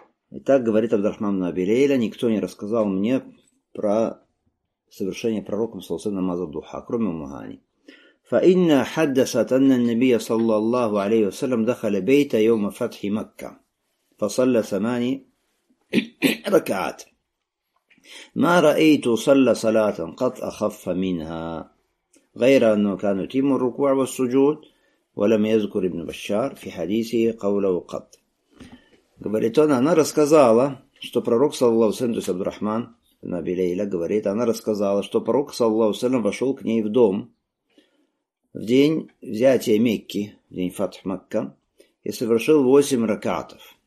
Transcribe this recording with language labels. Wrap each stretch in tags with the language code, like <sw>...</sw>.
<ru>И так говорит Абдурахман бин Аби Лейля, никто не рассказал мне про совершение пророком саллаллаху алейхи ва саллям намаза духа, кроме Умму Хани.</ru> <ar>Фаинна хаддасат анна ан-набия саллаллаху алейхи ва саллям дахаля бейта йаума фатхи Макка, фасалля самани ركعات ما رأيت صلى صلاة قط أخف منها غير أنه كان يتم الركوع والسجود ولم يذكر ابن بشار في حديثه قوله قط.</ar> <ru>Говорит он, она рассказала, что пророк саллаллаху алейхи ва саллям, Абду Рахман бин Аби Лейля, говорит, она рассказала, что пророк саллаллаху алейхи ва саллям вошел к ней в дом в день взятия Мекки, в день фатх Макка, и совершил 8 ракатов.</ru>